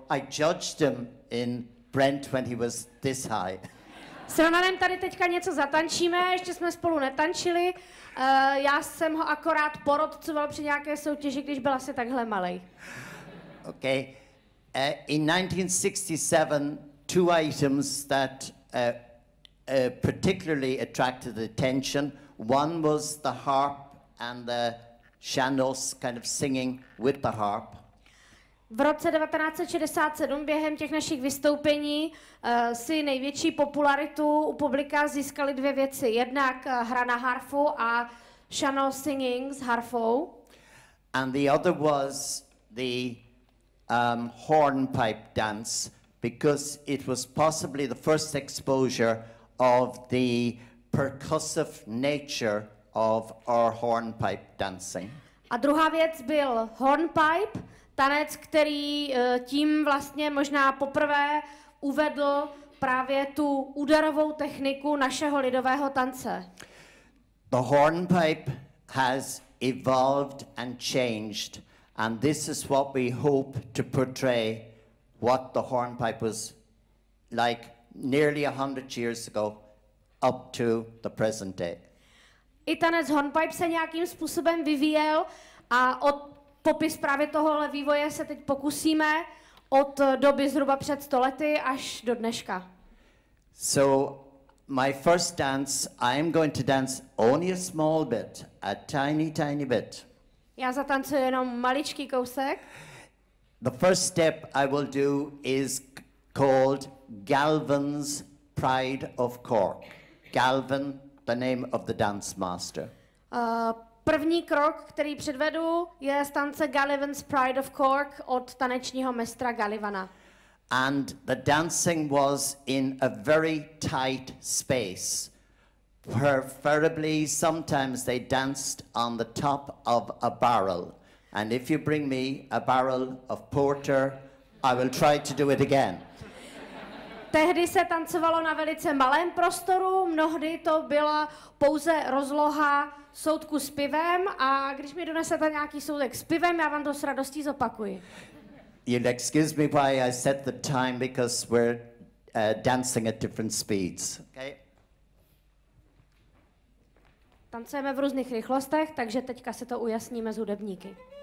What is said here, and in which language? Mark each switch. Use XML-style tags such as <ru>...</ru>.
<en>I judged him in Brent when he was this high.</en> <cs>S Ronanem tady teďka něco zatančíme, ještě jsme spolu netančili. Já jsem ho akorát porodcoval při nějaké soutěži, když byl asi takhle malej.</cs> <en>Okay. In 1967, two items that particularly attracted attention. One was the harp and the Shandos kind of singing with the harp.</en> <cs>V roce 1967 během těch našich vystoupení si největší popularitu u publika získaly dvě věci. Jednak hra na harfu a Shandos singing s harfou.</cs> <en>And the other was the hornpipe dance, because it was possibly the first exposure of the percussive nature of our hornpipe dancing.</en> <cs>A druhá věc byl hornpipe, tanec, který tím vlastně možná poprvé uvedl právě tu úderovou techniku našeho lidového tance.</cs> <en>The hornpipe has evolved and changed, and this is what we hope to portray, what the hornpipe was like nearly 100 years ago up to the present day.</en> <cs>I tanec hornpipe se nějakým způsobem vyvíjel a od popis právě tohohle vývoje se teď pokusíme od doby zhruba před 100 lety až do dneška.</cs> <en>So my first dance, I'm going to dance only a small bit, a tiny, tiny bit.</en> <cs>Já zatancuji jenom maličký kousek.</cs> <en>The first step I will do is called Galvin's Pride of Cork. Galvin, the name of the dance master.</en> <cs>První krok, který předvedu, je z tance Gallivan's Pride of Cork od tanečního mistra Gallivana.</cs> <en>And the dancing was in a very tight space. Preferably, sometimes they danced on the top of a barrel. And if you bring me a barrel of porter, I will try to do it again.</en> <cs>Tehdy se tancovalo na velice malém prostoru, mnohdy to byla pouze rozloha soudku s pivem a když mi donesete nějaký soudek s pivem, já vám to s radostí zopakuji.</cs> <en>You'll excuse me why I set the time because we're dancing at different speeds. Okay.</en> <cs>Tancujeme v různých rychlostech, takže teďka si to ujasníme s hudebníky.</cs>